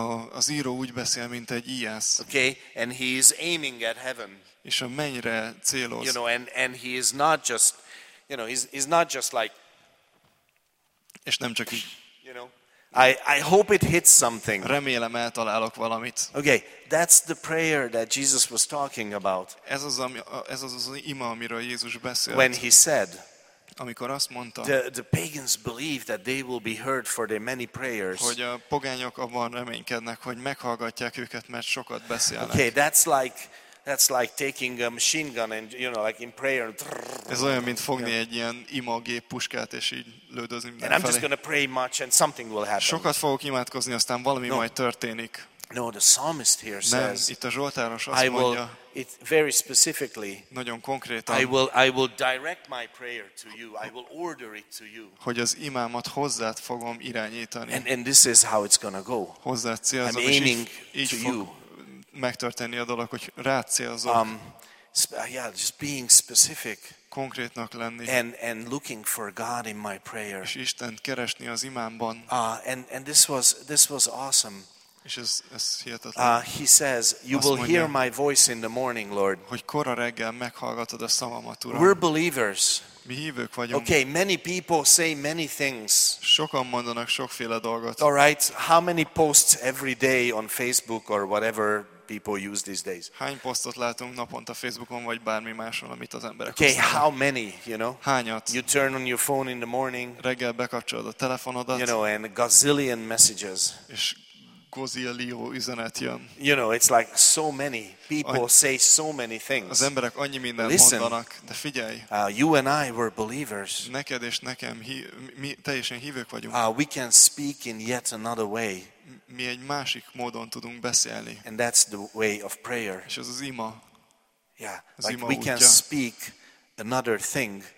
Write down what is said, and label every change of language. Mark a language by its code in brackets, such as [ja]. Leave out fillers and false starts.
[hu] az író úgy beszél, mint egy íjász, [en] okay, and he is aiming at heaven. [hu] És a mennyre céloz. [en] You know, and he is not just, you know, he's not just like, [hu] és nem csak így, [en] you know, I hope it hits something. [hu] Remélem eltalálok valamit. [en] Okay, that's the prayer that Jesus was talking about. [hu] Ez az ima, amiről Jézus beszélt. [en] When he said, [hu] amikor azt mondta, [en] the pagans believe that they will be heard for their many prayers. [hu] Hogy a pogányok abban reménykednek, hogy meghallgatják őket, mert sokat beszélnek. [en] Okay, that's like taking a machine gun and, you know, like in prayer. [hu] Ez olyan, mint fogni egy ilyen ima gép puskát és így lődözni mindenfelé. [en] And I'm just going to pray much and something will happen. [hu] Sokat fogok imádkozni, aztán valami majd történik. [en] No, the psalmist here says, [hu] itt a Zsoltáros azt mondja, [en] it very specifically, [hu] nagyon konkrétan, [en] I will direct my prayer to you, I will order it to you, [hu] hogy az imámat hozzád fogom irányítani. [en] And this is how it's going to go. [hu] Hozzád célzom, [en] I'm aiming [hu] így to fog you. Megtörténni a dolog, hogy rád célzok. [en] Yeah, just being specific. [hu] Konkrétnak lenni. [en] And looking for God in my prayer. [hu] És Istent keresni az imámban. [en] And this was awesome. [hu] És ez hihetetlen. [en] He says, you will hear my voice in the morning, Lord. [hu] Hogy kora reggel meghallgatod a szavamat, Uram. [en] We're believers. [hu] Mi hívők vagyunk. [en] Okay, many people say many things. [hu] Sokan mondanak sokféle dolgot. [en] All right, how many posts every day on Facebook or whatever people use these days? [hu] Hány posztot látunk naponta Facebookon vagy bármi máson, amit az emberek használnak? [en] Okay, how many, you know? [hu] Hányat? [en] You turn on your phone in the morning. [hu] Reggel bekapcsolod a telefonodat. [en] You know, and gazillion messages. [hu] És Gozielió üzenet jön. [en] You know, it's like so many people say so many things. [hu] Az emberek annyi mindent mondanak, de figyelj. [en] You and I were believers. [hu] Neked és nekem mi teljesen hívők vagyunk. [en] We can speak in yet another way. [hu] Mi egy másik módon tudunk beszélni. [en] And that's the way of prayer. [hu] És az ima. [en] Yeah, like we can speak another thing.